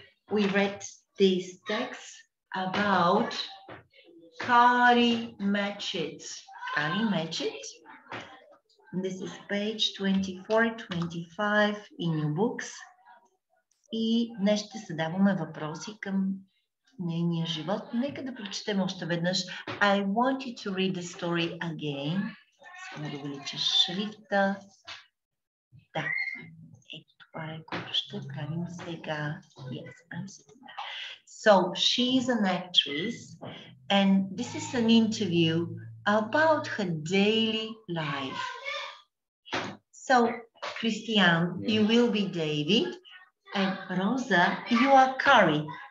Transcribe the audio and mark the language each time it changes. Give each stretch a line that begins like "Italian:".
English: We read these texts about Kari Matchett. Kari Matchett. This is page 24-25 in your books.
Bulgarian: И днес ще задаваме въпроси към нейния живот. Нека да прочетем още веднъж.
English: I want you to read the story again.
Bulgarian: Само да увеличиш шрифта. Да. Това е което ще правим сега.
English: Yes, I'm sitting there. So, she is an actress and this is an interview about her daily life. So, Christian, you will be David and Rosa, you are Kari.